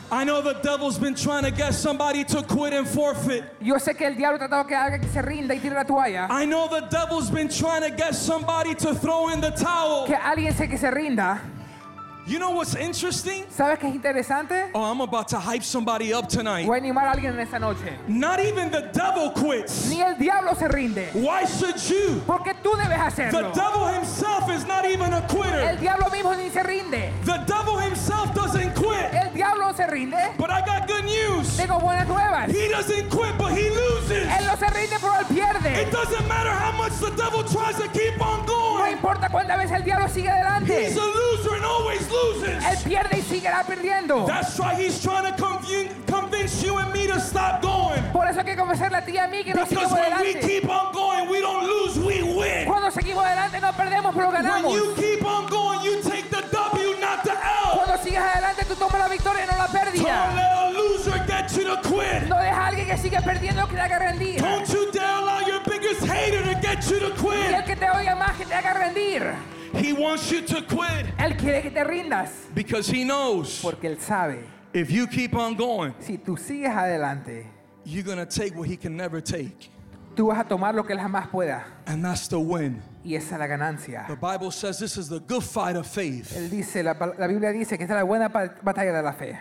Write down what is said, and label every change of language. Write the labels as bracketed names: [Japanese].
[English] I know the devil's been trying to get somebody to quit and forfeit. [Spanish] Yo sé que el diablo ha tratado que alguien se rinda y tire la toalla. [English] I know the devil's been trying to get somebody to throw in the towel. [Spanish] Que alguien se que se rinda. [English] You know what's interesting? [Spanish] ¿Sabes qué es interesante? [English] Oh, I'm about to hype somebody up tonight. [Spanish] Voy a animar a alguien en esta noche. [English] Not even the devil quits. [Spanish] Ni el diablo se rinde. [English] Why should you? [Spanish] Porque tú debes hacerlo. [English] The devil himself is not even a quitter. [Spanish] El diablo mismo ni se rinde. [English] The devil himself doesn't quit. [Spanish] El diablo se rinde. [English] But I got good news. [Spanish] Tengo buenas nuevas. [English] He doesn't quit, but he loses. [Spanish] Él no se rinde, pero él pierde. [English] It doesn't matter how much the devil tries to keep on going. [Spanish] No importa cuántas veces el diablo sigue adelante. [English] He's a loser and always loses. [Spanish] Él pierde y seguirá perdiendo. [English] That's why he's trying to convince you and me to stop going. [Spanish] Por eso que convencerle a ti y a mí que no sigamos adelante. [English] Because when we keep on going, we don't lose, we win. [Spanish] Cuando seguimos adelante no perdemos, pero ganamos. [English] When you keep on going, you take the W, not the L. [Spanish] Cuando sigues adelante tú tomas la victoria y no la pérdida. [English] Don't let a loser get you to quit. [Spanish] No deja a alguien que sigue perdiendo que te haga rendir. [English] Don't you dare allow your biggest hater to get you to quit. [Spanish] Y el que te oiga más que te haga rendir. [English] He wants you to quit. [Spanish] Él quiere que te rindas. [English] Because he knows. [Spanish] Porque él sabe. [English] If you keep on going. [Spanish] Si tú sigues adelante. [English] You're going to take what he can never take. [Spanish] Tú vas a tomar lo que él jamás pueda. [English] And that's the win. [Spanish] Y esa es la ganancia. [English] The Bible says this is the good fight of faith. [Spanish] Él dice, la Biblia dice que esta es la buena batalla de la fe.